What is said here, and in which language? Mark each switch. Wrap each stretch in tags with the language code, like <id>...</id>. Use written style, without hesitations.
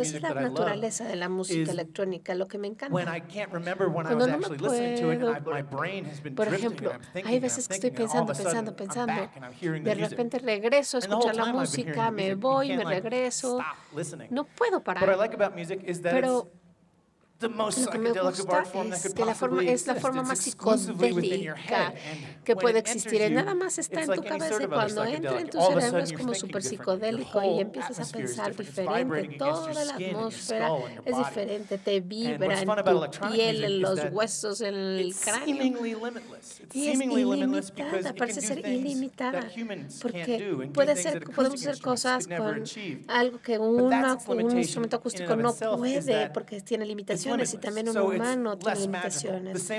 <es>Esa es la naturaleza de la música electrónica, lo que me encanta. Cuando no me puedo, por ejemplo, hay veces que estoy pensando, de repente regreso a escuchar la música, me voy, me regreso, no puedo parar. Pero</es> <en>the most psychedelic of art form that could possibly exist. It's exclusively within your head.</en> <es>Que puede existir, nada más está en tu cabeza, y cuando entra en tu cerebro es como súper psicodélico y empiezas a pensar diferente, toda la atmósfera es diferente, te vibra en tu piel, en los huesos, en el cráneo, y es ilimitada, parece ser ilimitada, porque podemos hacer cosas con algo que un instrumento acústico no puede, porque tiene limitaciones, y también un humano tiene limitaciones.</es>